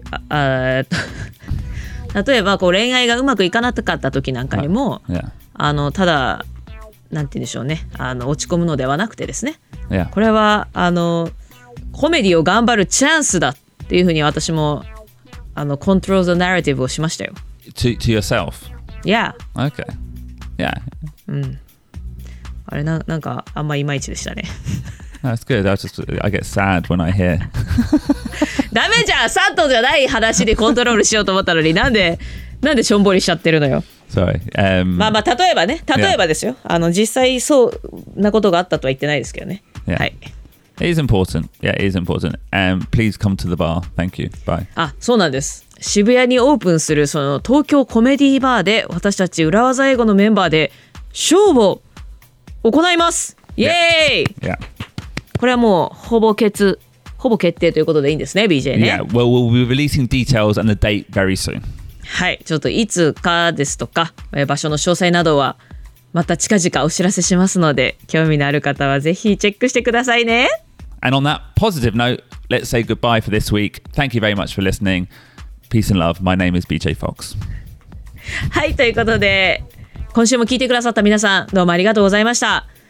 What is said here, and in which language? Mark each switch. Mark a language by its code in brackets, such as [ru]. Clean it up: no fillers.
[ja] 例えばこう恋愛がうまくいかなかった時なんかにも、あのただなんて言うんでしょうね、あの落ち込むのではなくてですね、これはあのコメディを頑張るチャンスだっていうふうに私もあのコントロール・ザ・ナラティブをしましたよ。 [en] To yourself? Yeah. Okay. Yeah. [ja] うん、あれ なんかあんまイマイチでしたね。 [en] That's good. That's just, I get sad when I hear. [ja] ダメじゃん、サッドじゃない話でコントロールしようと思ったのに、なんでしょんぼりしちゃってるのよ。 [en] Sorry. [ja] まあまあ例えばね、例えばですよ、あの実際そうなことがあったとは言ってないですけどね、はい。 [en] It is important. Yeah, it is important. Please come to the bar. Thank you. Bye. [ja] あ、そうなんです。渋谷にオープンするその東京コメディーバーで、私たち裏技英語のメンバーでショーを行います。イエーイ。 [en] Yeah. [ja] これはもうほぼ決定ということでいいんですね、BJ ね。 [en] Well, we'll be releasing details and the date very soon. [ja] はい。ちょっといつかですとか、場所の詳細などは、また近々お知らせしますので、興味のある方はぜひチェックしてくださいね。 [en] And on that positive note, let's say goodbye for this week. Thank you very much for listening. Peace and love. My name is BJ Fox. [ja] はい、ということで今週も聞いてくださった皆さん、どうもありがとうございました。